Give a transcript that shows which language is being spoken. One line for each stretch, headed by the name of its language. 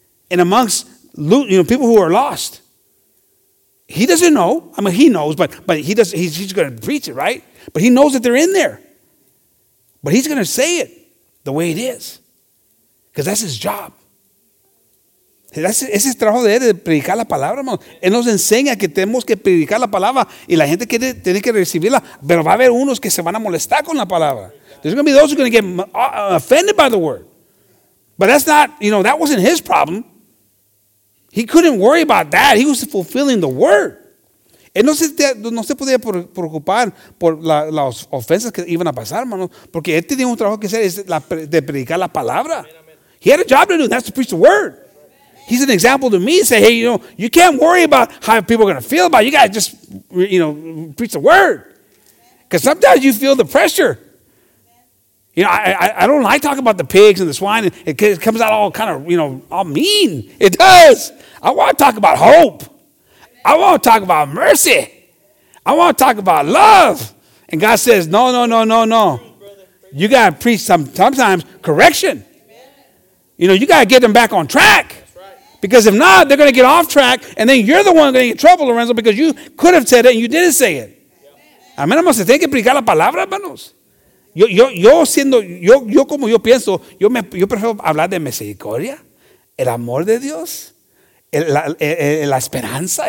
English: And amongst, you know, people who are lost. He doesn't know. I mean, he knows, but he does. He's going to preach it, right? But he knows that they're in there. But he's going to say it the way it is. Because that's his job.
Spanish: Ese es el trabajo de él, de predicar la palabra, hermano. Él nos enseña que tenemos que predicar la palabra y la gente tiene que recibirla. Pero va a haber unos que se van a molestar con la palabra.
English: There's going to be those who are going to get offended by the word. But that's not, you know, that wasn't his problem. He couldn't worry about that. He was fulfilling the word.
Spanish: Él no se podía preocupar por las ofensas que iban a pasar, hermano, porque él tenía un trabajo que hacer, es de predicar la palabra.
English: He had a job to do, and that's to preach the word. He's an example to me. Say, hey, you know, you can't worry about how people are going to feel about it. You got to just, you know, preach the word. Because sometimes you feel the pressure. You know, I don't like talking about the pigs and the swine. It comes out all kind of, you know, all mean. It does. I want to talk about hope. I want to talk about mercy. I want to talk about love. And God says, no, no, no, no, no. You got to preach sometimes correction. You know, you got to get them back on track. Because if not, they're going to get off track, and then you're the one going to get in trouble, Lorenzo, because you could have said it, and you didn't say it.
Spanish: A mí no se tiene que predicar la palabra, hermanos. Yo siendo, yo como yo pienso, yo prefiero hablar de misericordia, el amor de Dios, la esperanza.